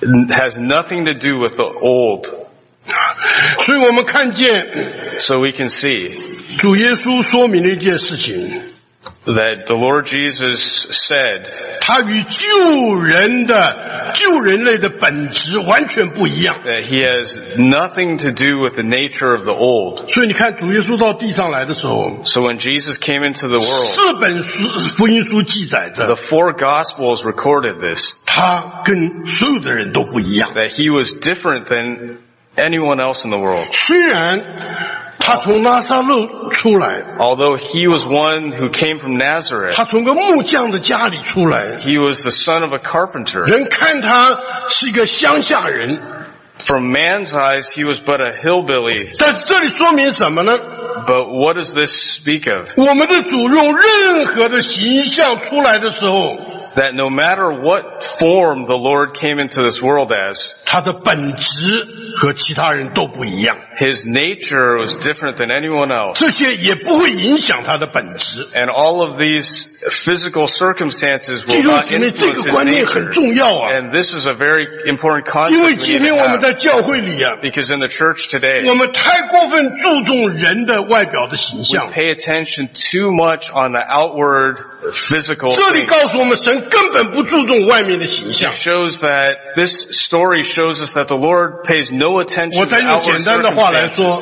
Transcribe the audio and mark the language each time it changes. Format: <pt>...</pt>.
<en>has nothing to do with the old.</en> <zh>所以我们看见，</zh> <en>So we can see</en> <zh>主耶稣说明了一件事情，</zh> <en>That the Lord Jesus said,</en> <zh>他与旧人类的本质完全不一样。</zh> <en>That he has nothing to do with the nature of the old.</en> <zh>所以你看主耶稣到地上来的时候，</zh> <en>So when Jesus came into the world,</en> <zh>四本书福音书记载着，</zh> <en>The four gospels recorded this.</en> <zh>他跟所有的人都不一样。</zh> <en>That he was different than anyone else in the world.</en> <zh>虽然他从拿撒勒出来，</zh> <en>Although he was one who came from Nazareth,</en> <zh>他从个木匠的家里出来，</zh> <en>He was the son of a carpenter.</en> <zh>人看他是一个乡下人，</zh> <en>From man's eyes, he was but a hillbilly.</en> <zh>但是这里说明什么呢？</zh> <en>But what does this speak of?</en> <zh>我们的主用任何的形象出来的时候，</zh> <en>That no matter what form the Lord came into this world as,</en> <zh>他的本质和其他人都不一样。</zh> <en>His nature was different than anyone else.</en> <zh>这些也不会影响他的本质。</zh> <en>And all of these physical circumstances will not influence his nature.</en> <zh>这个观念很重要啊。</zh> <en>And this is a very important concept.</en> <zh>因为今天我们在教会里啊，</zh> <en>Because in the church today,</en> <zh>我们太过分注重人的外表的形象。</zh> <en>We pay attention too much on the outward physical.</en> <zh>这里告诉我们神根本不注重外面的形象。</zh> <en>It shows that this story shows us that the Lord pays no attention to outward circumstances.</en>